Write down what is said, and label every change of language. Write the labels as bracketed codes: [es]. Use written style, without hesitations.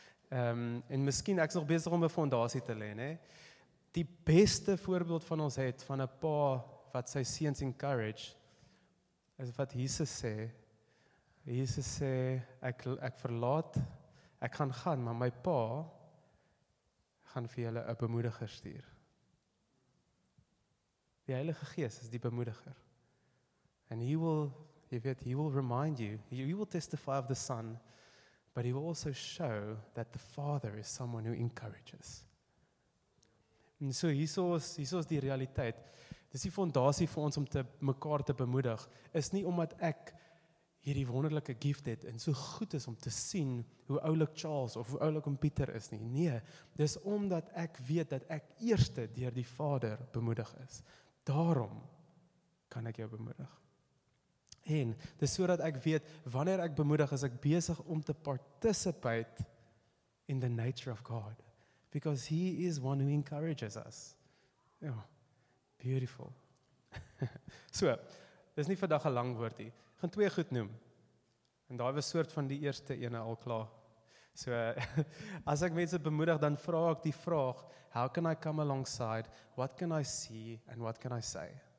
[af] En miskien, ek is nog besig om 'n fondasie te lê, nê. Die beste voorbeeld van ons het, van 'n pa wat sy seuns encourage, is wat Jesus sê. Jesus sê, ek verlaat, ek gaan gaan, maar my pa gaan vir julle 'n bemoediger stuur. Die Heilige Gees is die bemoediger. [en] And he will remind you, he will testify of the Son, but he will also show that the Father is someone who encourages. [af] En so hier is die realiteit. Dis die fondasie vir ons om mekaar te bemoedig, is nie omdat ek hierdie wonderlike gift het, en so goed is om te sien hoe oulik Charles of hoe oulik om Pieter is nie. Nee, dis omdat ek weet dat ek eerste deur die Vader bemoedig is. Daarom kan ek jou bemoedig. En dis so dat ek weet, wanneer ek bemoedig is, ek besig om te [en] participate in the nature of God. Because he is one who encourages us. Oh, beautiful. [af] So, dis nie vandag 'n lang woord nie. Gaan twee goed noem. En daar was soort van die eerste ene al klaar. So, as ek mense bemoedig, dan vra ek die vraag, [en] how can I come alongside, what can I see, and what can I say?